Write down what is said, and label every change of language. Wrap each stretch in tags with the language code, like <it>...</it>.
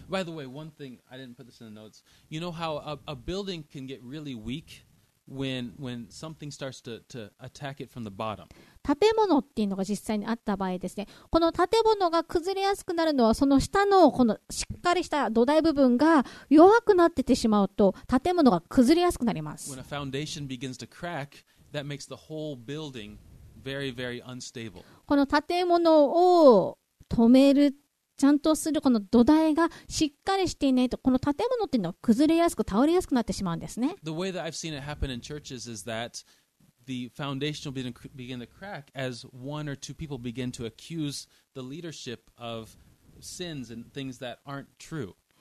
<en>By the way, one thing I didn't put this in the notes. You know how a building can get really weak when something starts to attack it from the bottom.</en> <ja>建物っていうのが実際にあった場合ですね。この建物が崩れやすくなるのはその下のこのしっかりした土台部分が弱くなっててしまうと建物が崩れやすくなります。</ja> <en>When a foundation begins to crack, that makes the whole building very, very unstable.</en> <ja>この建物を止めるちゃんとするこの土台がしっかりしていないとこの建物っていうのは崩れやすく倒れやすくなってしまうんですね。</ja> <en>The way that I've seen it happen in churches is that the foundation will begin to crack as one or two people begin to accuse the leadership of sins and things that aren't true.</en>